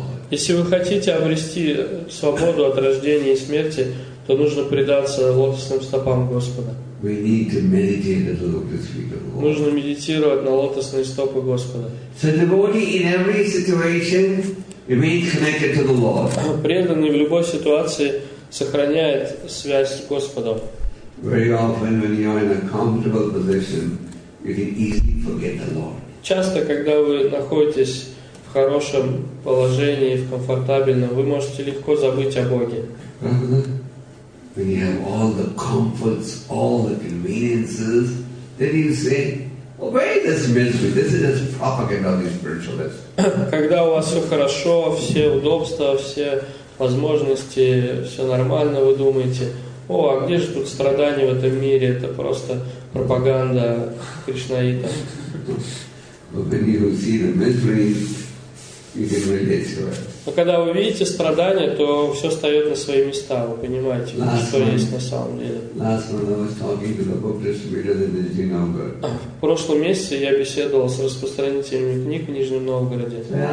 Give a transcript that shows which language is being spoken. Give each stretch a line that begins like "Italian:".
Russian: Если вы хотите обрести свободу от рождения и смерти, то нужно предаться лотосным стопам Господа. Нужно медитировать на лотосные стопы Господа.
English: So devotee in every situation. It means connected to the Lord.
Russian: Преданный в любой ситуации сохраняет связь с Господом.
English: Very often, when you are in a comfortable position, you can easily forget the Lord.
Russian: Часто, когда вы находитесь в хорошем положении, в комфортабельном, вы можете легко забыть о Боге.
English: When you have all the comforts, all the conveniences, then you say. Obey this ministry. This is just propaganda of the spiritualists.
Russian: Когда у вас все хорошо, все удобства, все возможности, все нормально, вы думаете, о, а где же тут страдания в этом мире? Это просто пропаганда кришнаитов.
English: But when you see the misery, you can relate to it.
Russian: Но когда вы видите страдания, то все встает на свои места. Вы понимаете, что есть на самом деле. В прошлом месяце я беседовал с распространителями книг в Нижнем Новгороде.